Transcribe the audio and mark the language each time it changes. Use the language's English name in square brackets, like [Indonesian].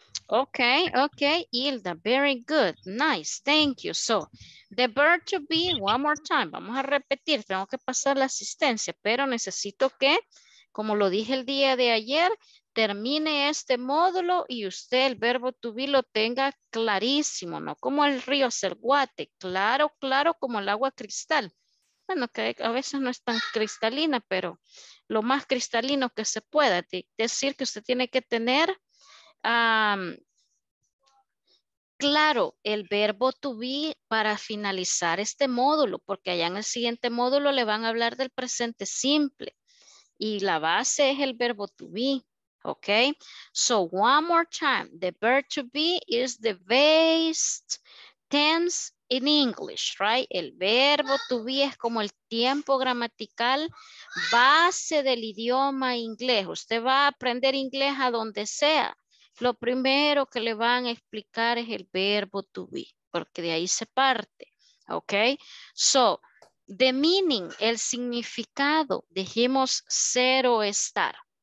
[English] Okay, okay, Hilda, very good, nice, thank you. So, the verb to be, one more time, [Spanish] vamos a repetir, tengo que pasar la asistencia, pero necesito que, como lo dije el día de ayer, termine este módulo y usted el verbo [English] to be [Spanish] lo tenga clarísimo, ¿no? Como el río Selguate, claro, claro, como el agua cristal. Bueno, que a veces no es tan cristalina, pero lo más cristalino que se pueda. Decir que usted tiene que tener claro el verbo [English] to be [Spanish] para finalizar este módulo, porque allá en el siguiente módulo le van a hablar del presente simple. Y la base es el verbo to be. [English] Okay, so one more time, the verb to be is the base tense in English, right? [Spanish] El verbo [English] to be [Spanish] es como el tiempo gramatical base del idioma inglés. Usted va a aprender inglés a donde sea. Lo primero que le van a explicar es el verbo [English] to be, [Spanish] porque de ahí se parte. [English] Okay, so the meaning, [Spanish] el significado, dijimos ser o estar.